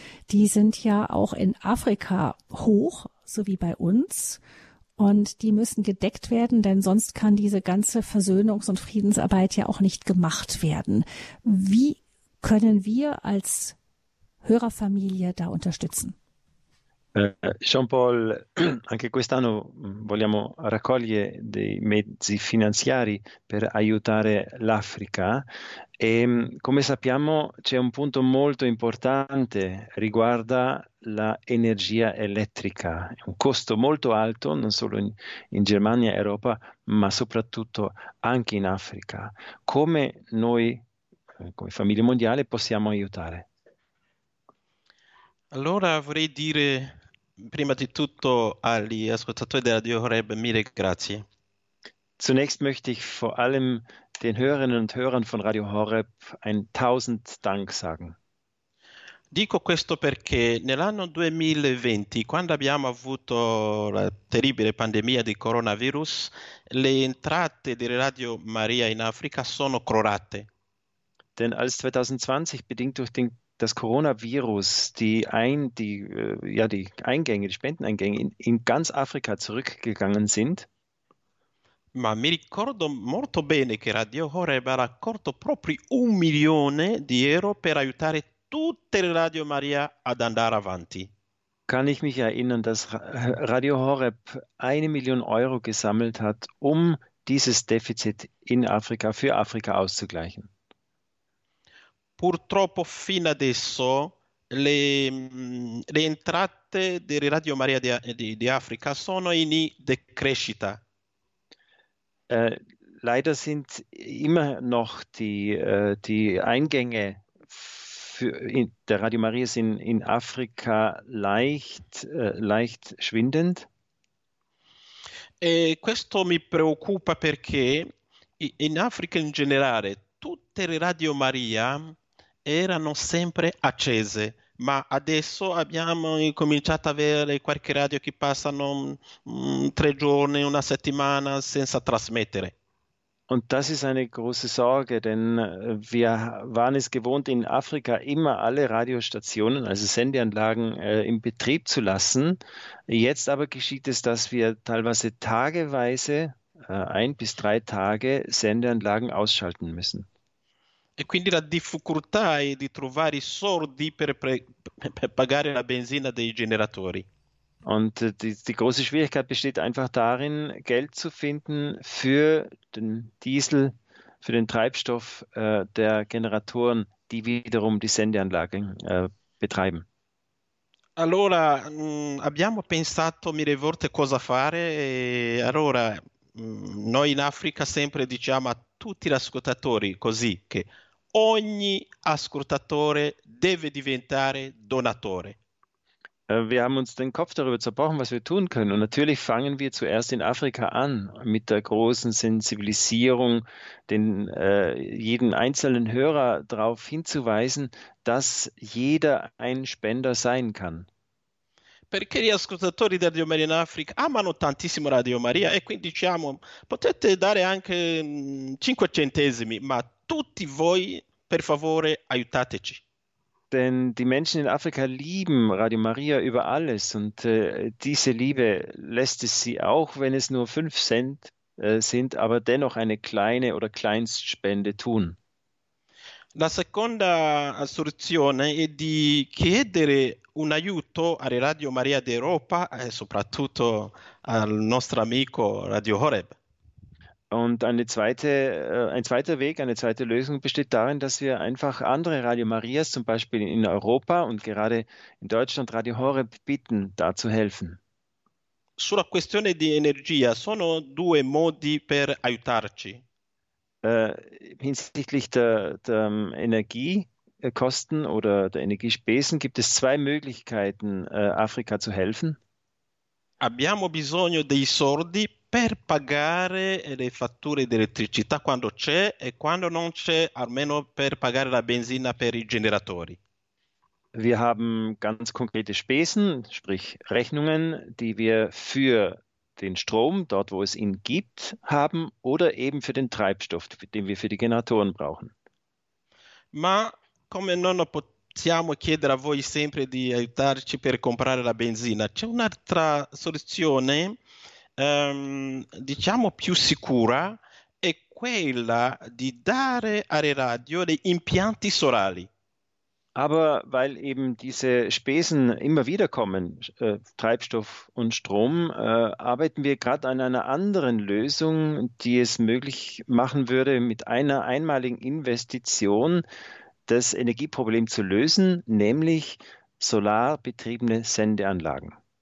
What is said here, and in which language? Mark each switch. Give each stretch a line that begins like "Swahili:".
German: Die sind ja auch in Afrika hoch, so wie bei uns. Und die müssen gedeckt werden, denn sonst kann diese ganze Versöhnungs- und Friedensarbeit ja auch nicht gemacht werden. Wie können wir als Hörerfamilie da unterstützen?
Italian: Jean-Paul, anche quest'anno vogliamo raccogliere dei mezzi finanziari per aiutare l'Africa e come sappiamo c'è un punto molto importante riguardo l'energia elettrica, un costo molto alto non solo in Germania e Europa ma soprattutto anche in Africa. Come noi, come famiglia mondiale, possiamo aiutare? Allora vorrei dire prima di tutto agli ascoltatori della Radio Horeb mille grazie.
German: Zunächst möchte ich vor allem den Hörerinnen und Hörern von Radio Horeb ein tausend Dank sagen.
Italian: Dico questo perché nell'anno 2020, quando abbiamo avuto la terribile pandemia di coronavirus, le entrate di Radio Maria in Africa sono crollate.
German: Denn als 2020 bedingt durch das Coronavirus die Spendeneingänge in ganz Afrika zurückgegangen sind.
Italian: Ma mi ricordo molto bene che Radio Horeb ha raccolto proprio 1 milione di euro per aiutare tutte le Radio Maria ad andare avanti.
German: Kann ich mich erinnern, dass Radio Horeb 1 Million Euro gesammelt hat, um dieses Defizit in Afrika für Afrika auszugleichen.
Italian: Purtroppo fino adesso le entrate di Radio Maria di Africa sono in decrescita.
German: Leider sind immer noch die Eingänge der Radio Maria sind in Afrika leicht schwindend.
Italian: E questo mi preoccupa perché in Africa in generale tutte le Radio Maria erano sempre accese, ma adesso abbiamo cominciato a avere qualche radio che passano 3 giorni, una settimana senza trasmettere.
German: Und das ist eine große Sorge, denn wir waren es gewohnt, in Afrika immer alle Radiostationen, also Sendeanlagen, in Betrieb zu lassen. Jetzt aber geschieht es, dass wir teilweise tageweise, 1 bis 3 Tage, Sendeanlagen ausschalten müssen.
Italian: E quindi la difficoltà è di trovare i soldi per pagare la benzina dei generatori.
German: Und die große Schwierigkeit besteht einfach darin, Geld zu finden für den Diesel, für den Treibstoff der Generatoren, die wiederum die Sendeanlage betreiben.
Italian: Allora, abbiamo pensato mille volte cosa fare. E allora, noi in Africa sempre diciamo a tutti gli ascoltatori così che ogni ascoltatore deve diventare donatore.
German: Wir haben uns den Kopf darüber zerbrochen, was wir tun können. Und natürlich fangen wir zuerst in Afrika an, mit der großen Sensibilisierung, jeden einzelnen Hörer darauf hinzuweisen, dass jeder ein Spender sein kann.
Italian: Perché gli ascoltatori di Radio Maria in Africa amano tantissimo Radio Maria e quindi diciamo, potete dare anche 5 centesimi, ma tutti voi, per favore, aiutateci.
German: Denn die Menschen in Afrika lieben Radio Maria über alles und diese Liebe lässt es sie auch, wenn es nur 5 Cent sind, aber dennoch eine kleine oder Kleinstspende tun.
Italian: La seconda soluzione è di chiedere un aiuto alle Radio Maria d'Europa e soprattutto al nostro amico Radio Horeb.
German: Und eine zweite Lösung besteht darin, dass wir einfach andere Radio Marias, zum Beispiel in Europa und gerade in Deutschland Radio Horeb, bitten, da zu helfen.
Italian: Sulla questione di energia, sono 2 modi per aiutarci.
German: Hinsichtlich der Energiekosten oder der Energiespesen gibt es 2 Möglichkeiten, Afrika zu helfen.
Italian: Abbiamo bisogno dei soldi per pagare le fatture di elettricità quando c'è e quando non c'è, almeno per pagare la benzina per i generatori.
German: Wir haben ganz konkrete Spesen, sprich Rechnungen, die wir für den Strom, dort wo es ihn gibt, haben oder eben für den Treibstoff, den wir für die Generatoren brauchen.
Italian: Ma come non possiamo chiedere a voi sempre di aiutarci per comprare la benzina, c'è un'altra soluzione, diciamo più sicura, è quella di dare Areradio dei impianti solari.
German: Aber weil eben diese Spesen immer wieder kommen, Treibstoff und Strom, arbeiten wir gerade an einer anderen Lösung, die es möglich machen würde, mit einer einmaligen Investition das Energieproblem zu lösen, nämlich solarbetriebene Sendeanlagen.